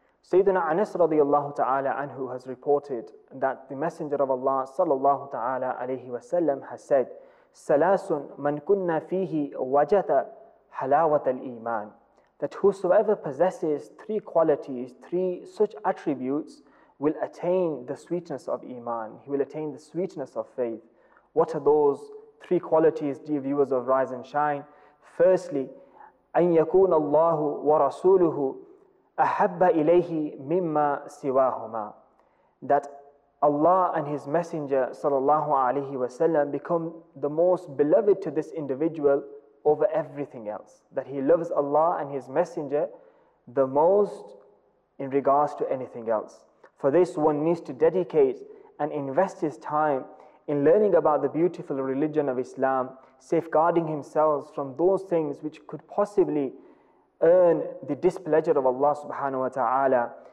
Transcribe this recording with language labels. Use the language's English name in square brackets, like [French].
[English] Sayyidina Anas radiallahu ta'ala anhu has reported that the Messenger of Allah sallallahu ta'ala alayhi wa sallam has said, [Arabic] Salasun man kunna fihi wajata halawat al-iman. [English] That whosoever possesses three qualities, three such attributes, will attain the sweetness of iman. He will attain the sweetness of faith. What are those three qualities, dear viewers of Rise and Shine? Firstly, [Arabic] أن يكون الله ورسوله أحب إليه مما سواهما. [English] That Allah and His Messenger sallallahu alaihi wasallam become the most beloved to this individual over everything else. That he loves Allah and His Messenger the most in regards to anything else. For this, one needs to dedicate and invest his time in learning about the beautiful religion of Islam, safeguarding himself from those things which could possibly earn the displeasure of Allah subhanahu wa ta'ala.